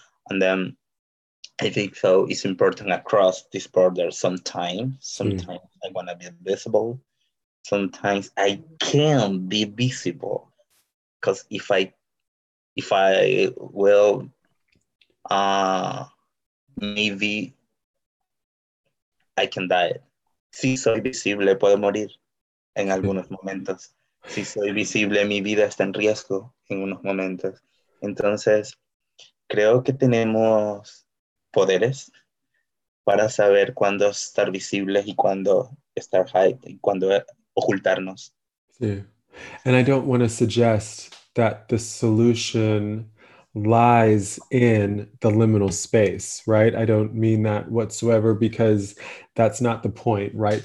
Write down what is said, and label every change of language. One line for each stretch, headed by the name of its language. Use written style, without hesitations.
English: And then I think so it's important across this border. Sometimes mm. I want to be visible. Sometimes I can't be visible. Because if I will, maybe I can die.
Spanish: Si soy visible, puedo morir en algunos momentos. Si soy visible, mi vida está en riesgo en unos momentos. Entonces, creo que tenemos poderes para saber cuándo estar visibles y cuándo estar
English: hide,
Spanish: y cuándo ocultarnos. Sí.
English: And I don't want to suggest that the solution lies in the liminal space, right? I don't mean that whatsoever, because that's not the point, right?